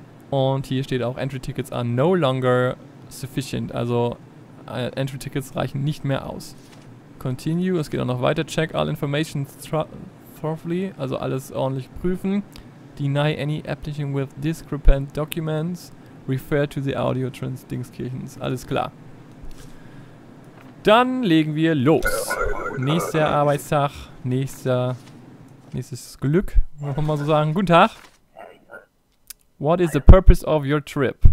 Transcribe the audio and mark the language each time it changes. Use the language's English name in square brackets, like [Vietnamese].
[German] Und hier steht auch, [English] Entry Tickets are no longer sufficient. [German] Also Entry Tickets reichen nicht mehr aus. Continue, es geht auch noch weiter. [English] Check all information thoroughly, [German] also alles ordentlich prüfen. [English] Deny any application with discrepant documents. Refer to the audio trans [German] Dingskirchens. Alles klar. Dann legen wir los. Nächster Arbeitstag, nächstes Glück, muss man mal so sagen. Guten Tag. [English] What is the purpose of your trip?